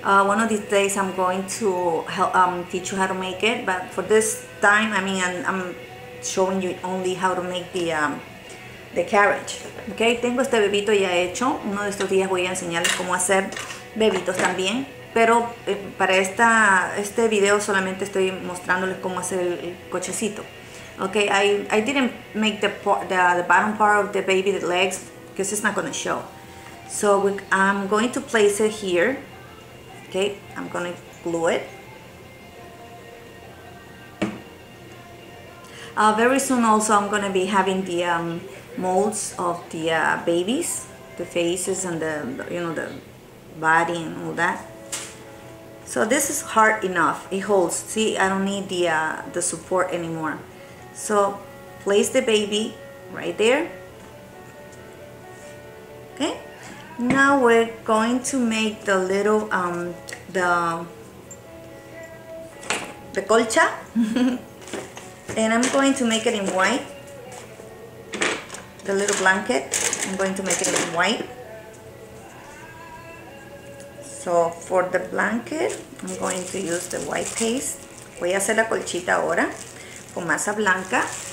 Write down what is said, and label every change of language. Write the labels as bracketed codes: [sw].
[en] One of these days I'm going to help teach you how to make it, but for this time I'm showing you only how to make the carriage. [es] Okay, tengo este bebito ya hecho. Uno de estos días voy a enseñarles cómo hacer bebitos también. Pero para este video solamente estoy mostrándoles cómo hacer el cochecito. [en] Okay, I didn't make the bottom part of the baby, the legs, because it's not going to show. So I'm going to place it here. Okay, I'm going to glue it. Very soon also I'm going to be having the molds of the babies, the faces and the, you know, the body and all that. So this is hard enough, it holds. See, I don't need the support anymore. So place the baby right there. Okay, now we're going to make the little the colcha. And I'm going to make it in white. The little blanket, I'm going to make it in white. So for the blanket, I'm going to use the white paste. [es] Voy a hacer la colchita ahora con masa blanca.